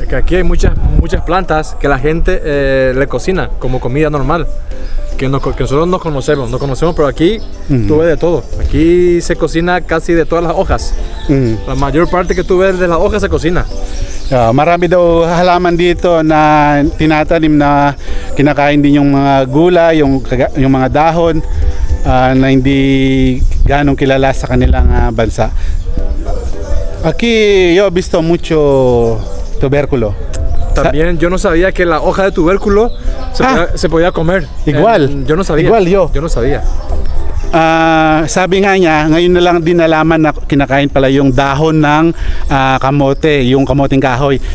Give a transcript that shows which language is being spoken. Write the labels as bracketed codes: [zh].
[es] Es que aquí hay muchas plantas que la gente le cocina como comida normal. Que nosotros no conocemos, pero aquí tú ves de todo. Aquí se cocina casi de todas las hojas. Mm-hmm. La mayor parte que tú ves de las hojas se cocina. [tl] Marami daw halaman dito na tinatanim na kinakain din yung mga gulay, yung mga dahon na hindi ganong kilala sa kanilang bansa. [es] Aquí yo he visto mucho tubérculo. También yo no sabía que la hoja de tubérculo se podía comer. Igual. Yo no sabía. Igual yo. Yo no sabía. [tl] Sabi nga niya, ngayon na lang din nalaman na kinakain pala yung dahon ng kamote, yung kamoteng kahoy.